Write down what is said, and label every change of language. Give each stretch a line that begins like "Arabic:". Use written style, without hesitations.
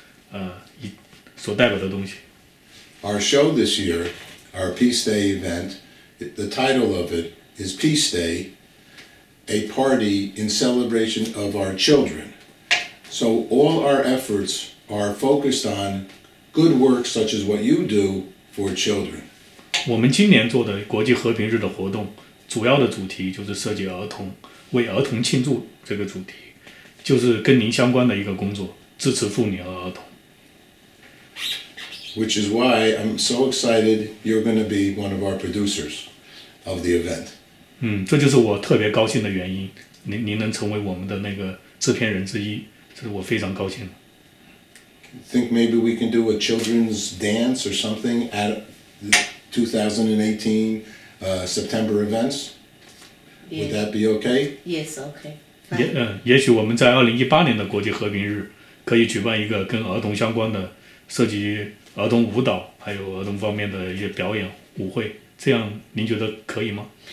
Chinese: 您做的这个工作对那个国际和平太重要了，这就是国际和平所代表的东西。
English: Our show this year, our Peace Day event, the title of it is Peace Day, a party in celebration of our children. So all our efforts are focused on good work such as what you do for children.
Chinese: 我们今年做的国际和平日的活动，主要的主题就是设计儿童，为儿童庆祝这个主题，就是跟您相关的一个工作，支持妇女和儿童。
English: Which is why I'm so excited you're going to be one of our producers of the event.
Chinese: 这就是我特别高兴的原因，您能成为我们的那个制片人之一，这是我非常高兴的。
English: Think maybe we can do a children's dance or something at 2018 September events? Would that be okay? Yes, okay.
Chinese: 也许我们在2018年的国际和平日可以举办一个跟儿童相关的涉及儿童舞蹈还有儿童方面的一些表演舞会，这样您觉得可以吗？